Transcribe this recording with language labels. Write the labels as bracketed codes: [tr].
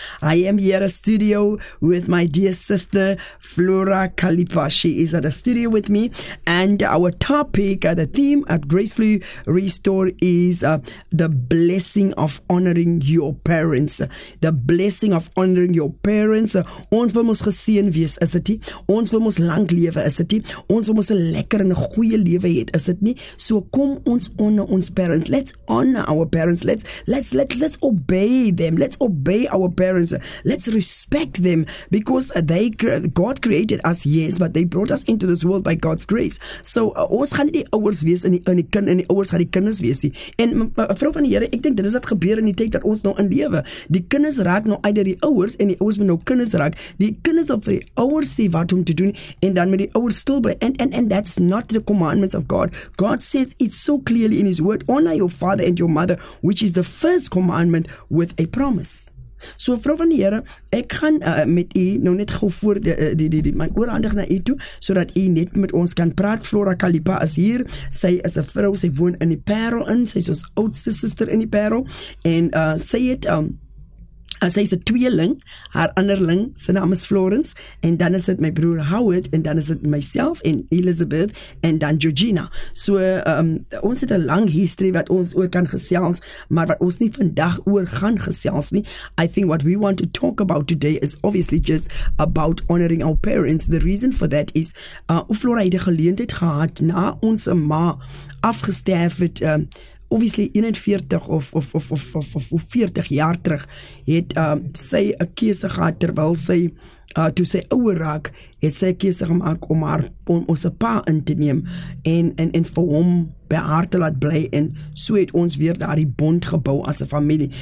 [en] I am here at a studio with my dear sister, Flora Kalipa. She is at a studio with me. And our topic, the theme at Gracefully Restore is the blessing of honoring your parents. The blessing of honoring your parents. [af] Ons wil ons geseën wees, is dit nie? Ons wil ons lank lewe, is dit nie? Ons wil ons 'n lekker en 'n goeie lewe hê, is dit nie? So kom ons honor ons parents. [en] Let's honor our parents. Let's obey them. Let's obey our parents. Let's respect them because they God created us, yes, but they brought us into this world by God's grace. [af] So ons gaan nie die ouers wees in die ouers gaan die kinders wees nie. En vrou van die Here, ek dink dit is wat gebeur in die tyd dat ons nou in lewe. Die kinders raak nou uit die ouers en die ouers moet nou kinders raak. Die kinders op vir die ouers sê wat om te doen en dan met die ouers stil bly. [en] And that's not the commandments of God. God says it so clearly in his word, honor your father and your mother, which is the first commandment with a promise. [af] So vrou van die Here, ek gaan met u nou net gou voor die my oorhandig na u toe sodat u net met ons kan praat. Flora Kalipa is hier. Sy is 'n vrou, sy woon in die Parel in. Sy's ons oudste suster in die Parel en sy het sy is 'n tweeling, haar anderling, sy naam is Florence, en dan is dit my broer Howard, en dan is dit myself en Elizabeth, en dan Georgina. So, ons het 'n lang history wat ons ook kan gesels, maar wat ons nie vandag oor gaan gesels nie. [en] I think what we want to talk about today is obviously just about honoring our parents. The reason for that is, [af] Flora het die geleentheid gehad na ons ma afgesterf het, obviously 41 of 40 jaar terug het sy 'n keuse gehad terwyl sy toe sy ouer raak, het sy 'n keuse gemaak om haar om ons 'n pa in te neem en vir hom by haar te laat bly en so het ons weer daardie bond gebou as 'n familie.